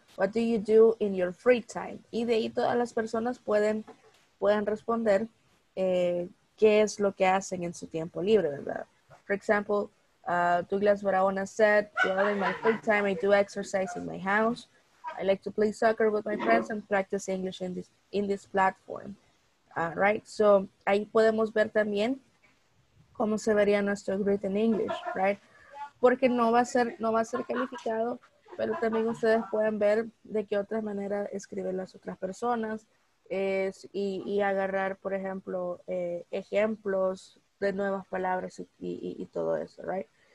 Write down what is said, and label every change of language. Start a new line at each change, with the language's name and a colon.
English: What do you do in your free time?
Spanish: Y de ahí todas las personas pueden responder qué es lo que hacen en su tiempo libre, ¿verdad?
English: For example, Douglas Barahona said, well, in my free time, I do exercise in my house. I like to play soccer with my friends and practice English in this platform. Right?
Spanish: So, ahí podemos ver también cómo se vería nuestro
English: grade in English,
Spanish: right? Porque no va a ser calificado, pero también ustedes pueden ver de qué otra manera escriben las otras personas y agarrar, por ejemplo, ejemplos de nuevas palabras y todo eso, right?